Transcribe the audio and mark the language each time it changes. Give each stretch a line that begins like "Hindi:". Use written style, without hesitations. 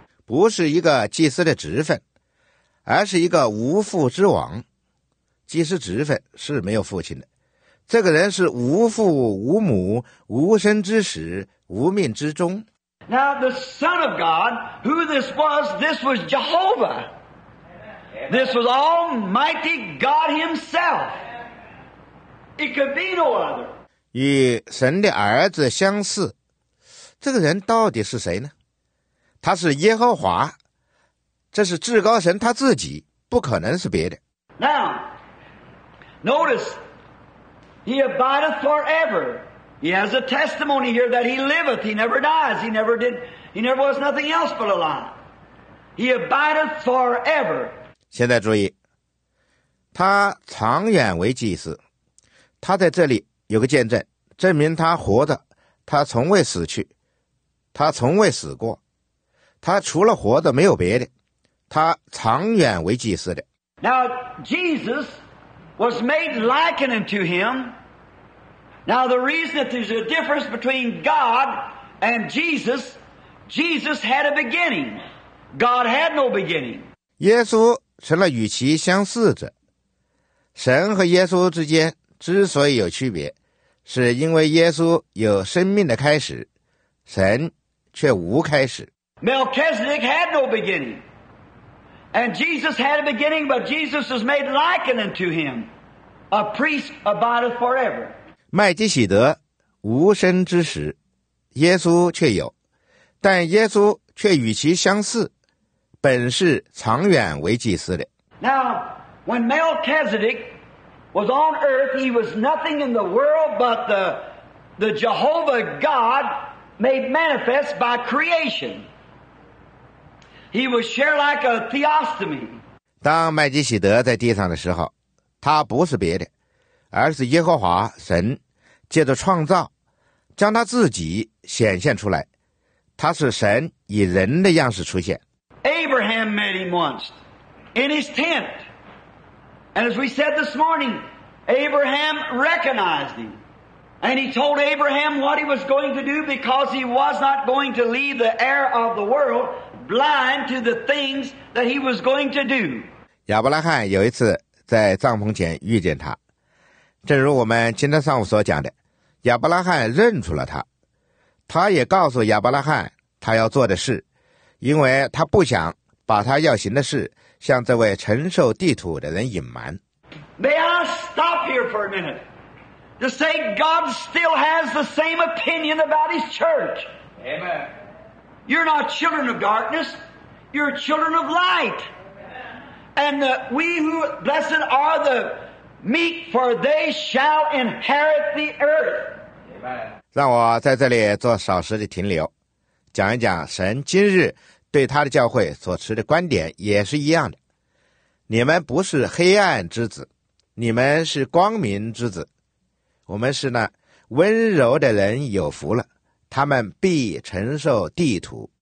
Chinese: 不是一个祭司的职分，而是一个无父之王。祭司职分是没有父亲的。这个人是无父无母，无生之始，无命之终。
English: Now the Son of God, who this was Jehovah. This was Almighty God Himself. It could be no other.
Chinese: 与神的儿子相似，这个人到底是谁呢？他是耶和华，这是至高神他自己，不可能是别的。
English: Now, notice. He abideth forever. He has a testimony here that he liveth. He never dies. He never did. He never was nothing else but a lie. He abideth forever.
Chinese: 现在注意，他长远为祭司，他在这里有个见证，证明他活着，他从未死去，他从未死过，他除了活着没有别的，他长远为祭司的。
English: Now Jesus was made likened unto him. Now the reason that there's a difference between God and Jesus, Jesus had a beginning. God had no beginning.
Chinese: 耶稣成了与其相似者。神和耶稣之间之所以有区别，是因为耶稣有生命的开始，神却无开始。
English: Melchizedek had no beginning. And Jesus had a beginning, but Jesus was made likened unto him. A priest abideth forever.
Chinese: 麦基洗德无生之时，耶稣却有，但耶稣却与其相似，本是长远为祭司的。
English: Now, when Melchizedek was on earth, he was nothing in the world but the Jehovah God made manifest by creation. He was share like a theostomy.
Chinese: 当麦基洗德在地上的时候，他不是别的，而是耶和华神。借着创造将他自己显现出来，他是神以人的样式出现。
English: Abraham met him once in his tent, and as we said this morning, Abraham recognized him, and he told Abraham what he was going to do, because he was not going to leave the heir of the world blind to the things that he was going to do.
Chinese: 亚伯拉罕有一次在帐篷前遇见他，正如我们今天上午所讲的，亚伯拉罕认出了他，他也告诉亚伯拉罕他要做的事，因为他不想把他要行的事向这位承受地土的人隐瞒。
English: May I stop here for a minute to say God still has the same opinion about His church? Amen. You're not children of darkness, you're children of light. And we who blessed are the. Meek, for they shall inherit the earth.
Chinese: 让我在这里做少时的停留，讲一讲神今日对他的教会所持的观点也是一样的。你们不是黑暗之子，你们是光明之子。我们是那温柔的人有福了，他们必承受地土。